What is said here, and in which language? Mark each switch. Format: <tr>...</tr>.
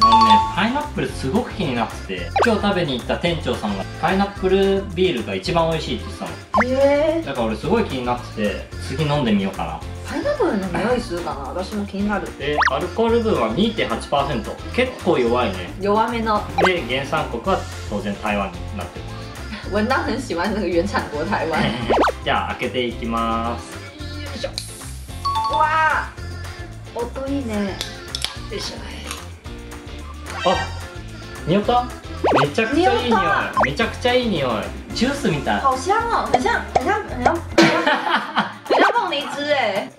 <ja>あのね、パイナップルすごく気になってて、今日食べに行った店長さんがパイナップルビールが一番美味しいって言ってたの。へえ。だから俺すごい気になってて、次飲んでみようかな。パイナップルの匂いするかな。私も気になる。アルコール分は 2.8%、 結構弱いね。弱めので、原産国は当然台湾になってます。</ja> <zh>文章很喜欢那个原产国台湾。</zh> <ja>じゃあ開けていきます。よいしょ。うわー、音いいね。よいしょ。あ、匂った。めちゃくちゃいい匂い。めちゃくちゃいい匂い。ジュースみたい。</ja> <zh>好香哦。很像很像很像很像凤梨汁耶。</zh>